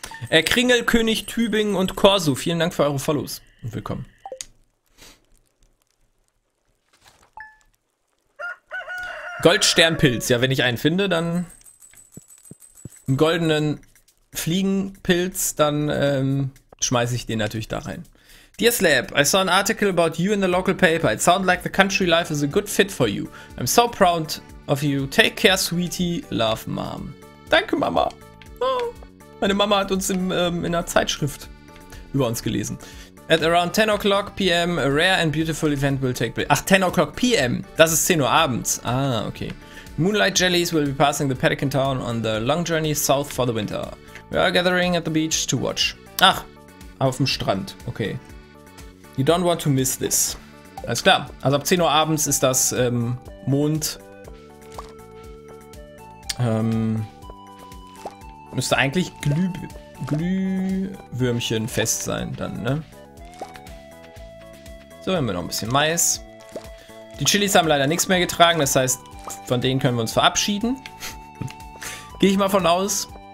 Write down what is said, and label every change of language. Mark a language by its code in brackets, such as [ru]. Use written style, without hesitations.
[de] Kringel, König Tübingen und Korsu, vielen Dank für eure Follows und willkommen. Goldsternpilz. Ja, wenn ich einen finde, dann einen goldenen Fliegenpilz, dann schmeiße ich den natürlich da rein. [en] Dear Slab, I saw an article about you in the local paper. It sounds like the country life is a good fit for you. I'm so proud of you. Take care, sweetie. Love, Mom. [de] Danke, Mama. [en] Oh. [de] Meine Mama hat uns in einer Zeitschrift über uns gelesen. [en] At around 10 o'clock p.m. a rare and beautiful event will take place. [de] Ach, [en] 10 o'clock p.m. [de] Das ist 10 Uhr abends. Ah, okay. [en] Moonlight jellies will be passing the Pelican Town on the long journey south for the winter. We are gathering at the beach to watch. [de] Ach, auf dem Strand. Okay. [en] You don't want to miss this. [de] Alles klar. Also ab 10 Uhr abends ist das Mond. Müsste eigentlich Glühwürmchenfest sein dann, ne? So, haben wir noch ein bisschen Mais. Die Chilis haben leider nichts mehr getragen, das heißt, von denen können wir uns verabschieden. Gehe ich mal von aus.